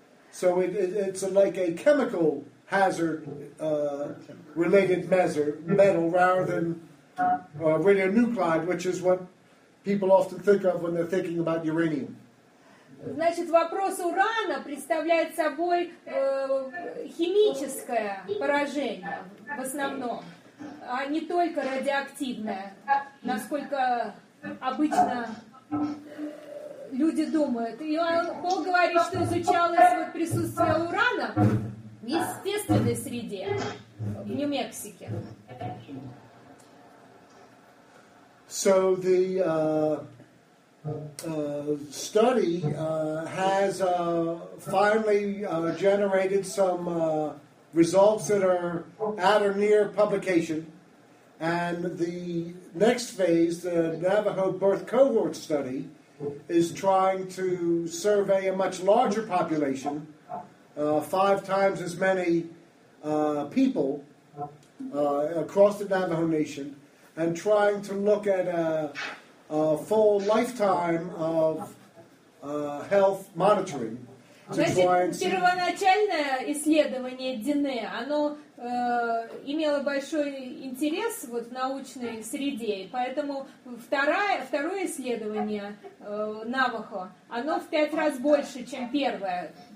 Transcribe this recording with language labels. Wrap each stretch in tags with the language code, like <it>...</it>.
<en>So it's like a chemical hazard related metal rather than radionuclide, which is what people often think of when they're thinking about uranium.</en> <ru>Значит, вопрос урана представляет собой химическое поражение в основном, а не только радиоактивное, насколько обычно люди думают. И Пол говорит, что изучалось вот присутствие урана в естественной среде в Нью-Мексике.</ru> <en>So the study has finally generated some results that are at or near publication, and the next phase, the Navajo birth cohort study, is trying to survey a much larger population, five times as many people across the Navajo Nation, and trying to look at a full lifetime of health monitoring.</en> <ru>Первоначальное исследование Дине, оно имело большой интерес вот в научной среде, поэтому второе исследование Навахо, оно в пять раз больше, чем первое.</ru>